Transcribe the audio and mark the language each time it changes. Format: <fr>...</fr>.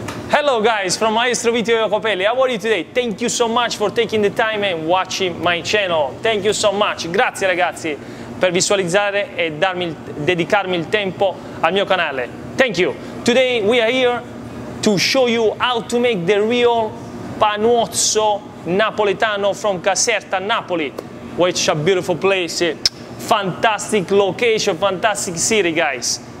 <en>Hello guys, from Maestro Vito Iacopelli. How are you today? Thank you so much for taking the time and watching my channel. Thank you so much.</en> <it>Grazie ragazzi per visualizzare e dedicarmi il tempo al mio canale.</it> <en>Thank you. Today we are here to show you how to make the real Panuozzo Napoletano from Caserta, Napoli, which a beautiful place, fantastic location, fantastic city, guys.</en>